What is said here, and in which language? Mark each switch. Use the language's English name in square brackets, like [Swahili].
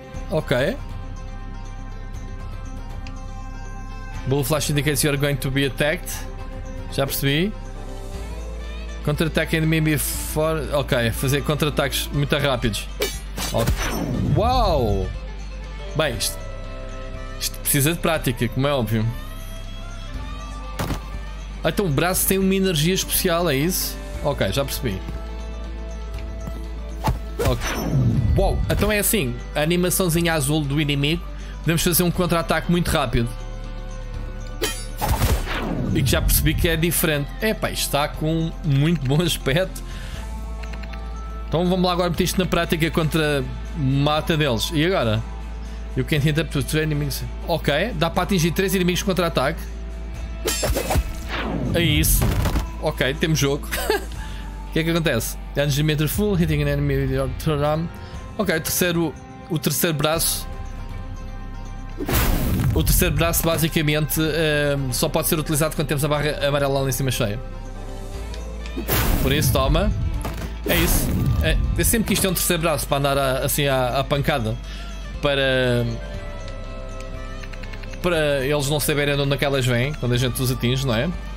[English] Ok. Bull flash indicates you are going to be attacked. [Portuguese] Já percebi. [English] Counter-attack enemy before. [Portuguese] Ok, fazer contra-ataques muito rápidos. Okay. Uau! Bem, isto precisa de prática, como é óbvio. Ah, então o braço tem uma energia especial, é isso? Ok, já percebi. Okay. Uau! Então é assim, a animaçãozinha azul do inimigo. Podemos fazer um contra-ataque muito rápido. E que já percebi que é diferente. Epá, isto está com muito bom aspecto. Então vamos lá agora meter isto na prática contra mata deles. E agora? E o que entra para os inimigos? Ok, dá para atingir 3 inimigos contra ataque. É isso. Ok, temos jogo. O que é que acontece? [English] Damage meter full, hitting an enemy with your third arm. [Portuguese] Ok, o terceiro braço. O terceiro braço, basicamente, só pode ser utilizado quando temos a barra amarela lá em cima cheia. Por isso, toma. É isso. Eu sempre quis ter um terceiro braço para andar assim à pancada. Para eles não saberem de onde é que elas vêm, quando a gente os atinge, não é?